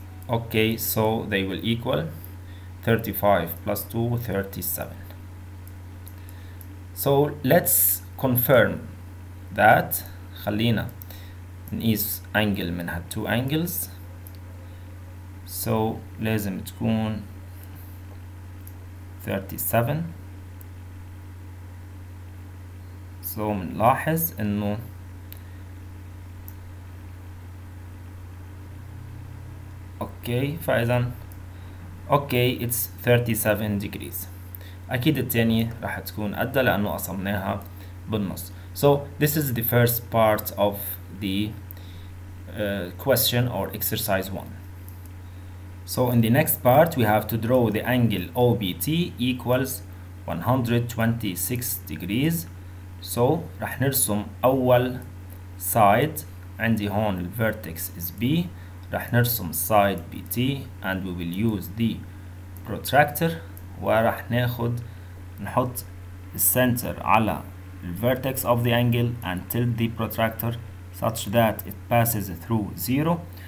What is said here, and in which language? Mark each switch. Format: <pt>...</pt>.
<en>Okay, so they will equal 35 plus 2, 37. So let's confirm that.</en> <ar>خلينا نقيس أنجل من هال</ar> <en>two angles.</en> <ar>So لازم تكون 37. So منلاحظ إنه okay, فإذا okay</ar> <en>it's 37 degrees.</en> <ar>أكيد التانية راح تكون قدها لأنه قسمناها بالنص.</ar> <en>So this is the first part of the question or exercise one. So in the next part we have to draw the angle OBT equals 126 degrees.</en> <ar>So راح نرسم أول side. عندي هون ال vertex is B. راح نرسم side BT</ar> <en>and we will use the protractor.</en> <ar>وراح ناخد نحط</ar> <en>center على the vertex of the angle and tilt the protractor such that it passes through zero.</en>